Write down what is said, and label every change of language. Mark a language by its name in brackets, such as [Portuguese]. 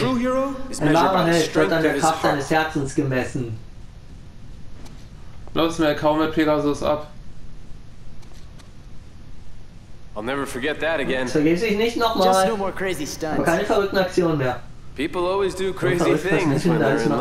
[English] True hero is measured by the strength of his heart. [German] Seines Herzens gemessen. Los, Meg, hau mit Pegasus ab. [English] I'll never forget that again. [German] Vergiss ich nicht nochmal. [English] Just no more crazy stunts. [German] Aber keine verrückten Aktionen mehr. [English] People always do crazy things when they're in love.